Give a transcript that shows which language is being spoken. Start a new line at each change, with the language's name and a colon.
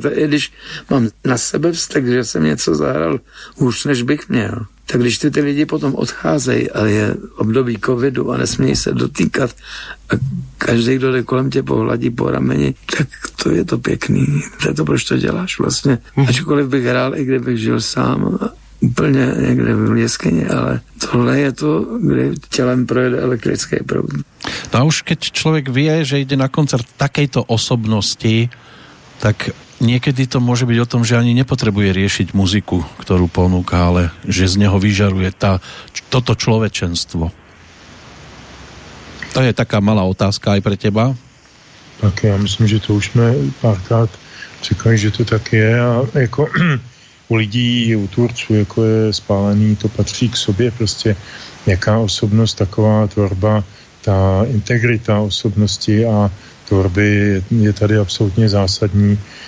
Czech: To je, když mám na sebe vztek, že jsem něco zahral hůř, než bych měl, tak když ty lidi potom odcházejí a je období covidu a nesmějí se dotýkat a každý, kdo jde kolem tě, pohladí po rameni, tak to je to pěkný. To je to, proč to děláš vlastně. Ačkoliv bych hrál, i kdybych žil sám, úplně někde v jeskyni, ale tohle je to, kdy tělem projede elektrický proud.
Slovak: No už keď člověk ví, že jde na koncert takejto osobnosti, tak niekedy to môže byť o tom, že ani nepotrebuje riešiť muziku, ktorú ponúka, ale že z neho vyžaruje toto človečenstvo. To je taká malá otázka aj pre teba. Tak ja myslím, že to už sme párkrát čekali, že to tak je.
Czech: A ako u lidí, u tvorců, ako je Spálený, to patrí k sobě. Prostě jaká osobnosť, taková tvorba, tá integrita osobnosti a tvorby je tady absolútne zásadní.